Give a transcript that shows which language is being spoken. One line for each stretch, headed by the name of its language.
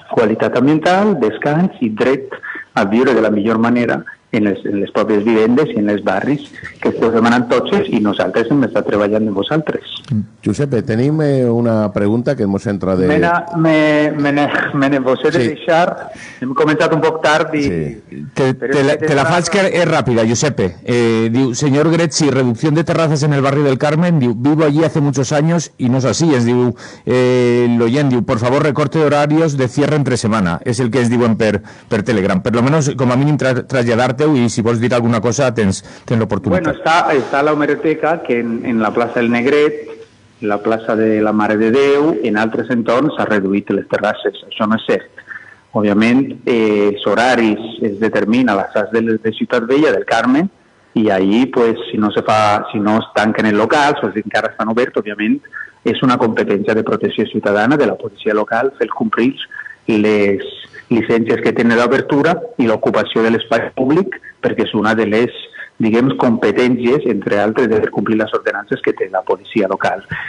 Catalan: Qualitat ambiental, descans i dret a viure de la millor manera en les pròpies vivendes i en els barris que esteu demanant tots ells, i nosaltres hem estat treballant amb vosaltres. Giuseppe, tenim una pregunta que ens entra de... Me n'he deixat. Hem començat un poc tard i... Sí. Te la faig que és ràpida, Giuseppe. Diu, senyor Gretzi, reducció de terrasses en el barri del Carmen, diu,
Spanish: vivo allí hace muchos años y no es así.
Catalan: Es diu, l'oient, diu,
Spanish: por favor, recorte de horarios de cierre entre semana.
Catalan: És el que es diuen per Telegram. Per lo menos, com a mínim, traslladar teu, i si vols dir alguna cosa, tens l'oportunitat. Bueno, està la hemeroteca, que en la plaça del Negret, la plaça de la Mare de Déu, en altres entorns s'ha reduït les terrasses. Això no és cert. Òbviament, els horaris es determina a les sas de Ciutat Vella, del Carmen, i ahir, pues, si no es tanquen els locals, o si encara estan oberts, òbviament, és una competència de protecció ciutadana de la policia local fer complir les llicències que tenen d'obertura i l'ocupació de l'espai públic, perquè és una de les, diguem, competències, entre altres, de complir les ordenances que té la policia local.